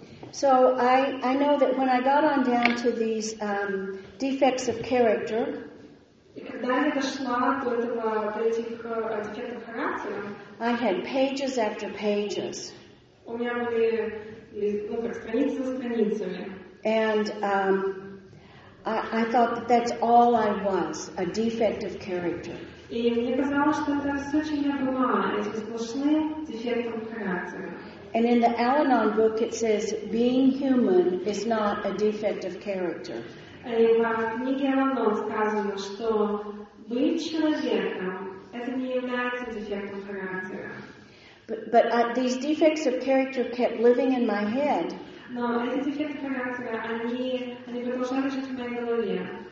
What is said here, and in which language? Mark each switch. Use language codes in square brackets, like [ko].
[en] So I know that when I got on down to these defects of character. [ru] И когда я дошла до этих дефектов характера, [en] I had pages after pages. [ru] У меня были, ну, как страницы за страницами. [en] And I thought that that's all I was, a defect of character. [ru] И мне казалось, что это все, чем я была, эти сплошные дефекты характера. [en] And in the Al-Anon book it says being human is not a defect of character. [uk] І в книге Al-Anon сказано, що бути чоловіком це не є дефектом характеру. [en] But these defects of character kept living in my head. [ru] Но эти дефекты характера, они продолжали жить в моей голове.